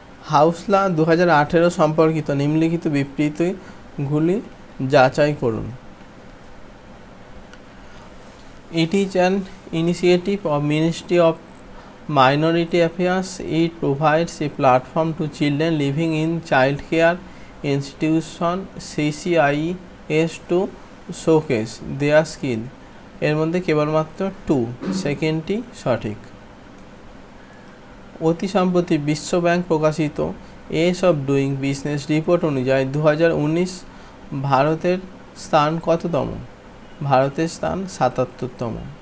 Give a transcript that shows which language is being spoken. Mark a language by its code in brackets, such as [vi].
[bn] হাউসলা 2018 সম্পর্কিত নিম্নলিখিত বিবৃতিগুলি যাচাই করুন। [en] It is an initiative of ministry of Minority Affairs, it provides a platform to children living in child care institution CCIS to showcase their skill. [bn] এর মধ্যে কেবলমাত্র two সেকেন্ডটি সঠিক। অতি সম্প্রতি বিশ্ব ব্যাংক প্রকাশিত S of doing business report অনুযায়ী 2019 ভারতের স্থান কততম? ভারতের স্থান 77তম।